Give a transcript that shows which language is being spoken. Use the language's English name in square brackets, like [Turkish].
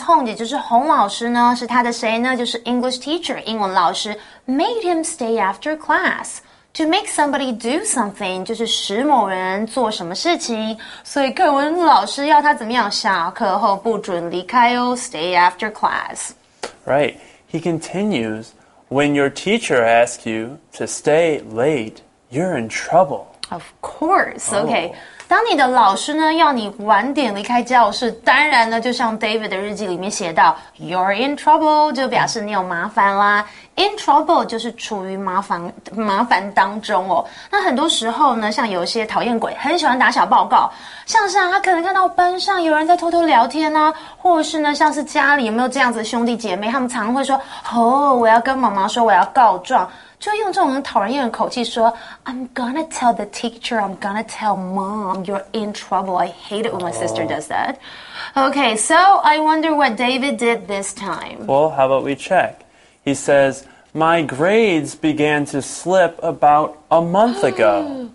[Chinese] Hung, 也就是洪老师呢，是他的谁呢？就是 [English] English teacher, [Chinese] 英文老师 [English] made him stay after class. To make somebody do something, [Chinese] 就是使某人做什么事情。所以课文老师要他怎么样？下课后不准离开哦 [English] stay after class. Right. He continues, when your teacher asks you to stay late, you're in trouble. Of course. Okay. [Chinese] 当你的老师呢要你晚点离开教室，当然呢就像 David 的日记里面写到 [English] you're in trouble, [Chinese] 就表示你有麻烦啦。 [English] In trouble [Chinese] 就是处于麻烦当中哦。那很多时候呢，像有些讨厌鬼很喜欢打小报告，像是啊，他可能看到班上有人在偷偷聊天啊，或是呢，像是家里有没有这样子的兄弟姐妹，他们常会说，哦，我要跟妈妈说，我要告状。就用这种很讨人厌的口气说 [English] I'm gonna tell the teacher, I'm gonna tell mom, you're in trouble. I hate it when my sister does that. Okay, so I wonder what David did this time. Well, how about we check? He says, my grades began to slip about a month ago.